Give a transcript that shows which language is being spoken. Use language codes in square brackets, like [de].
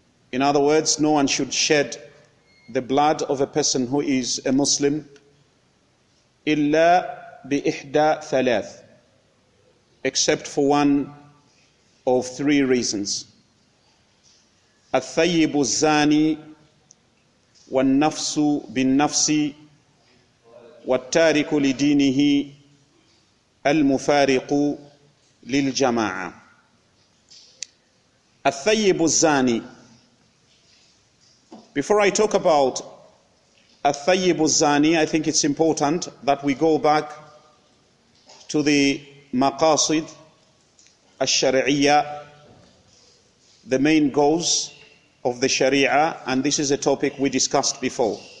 [en] In other words, no one should shed the blood of a person who is a Muslim [ar] إلا بإحدى ثلاث, [en] except for one of three reasons. [ar] الثيب الزاني والنفس بالنفس والتارك لدينه المفارق للجماعة. الثيب الزاني. [en] Before I talk about al-thayyib al-zani, I think it's important that we go back to the maqasid al-shari'iyya, the main goals of the sharia, and this is a topic we discussed before.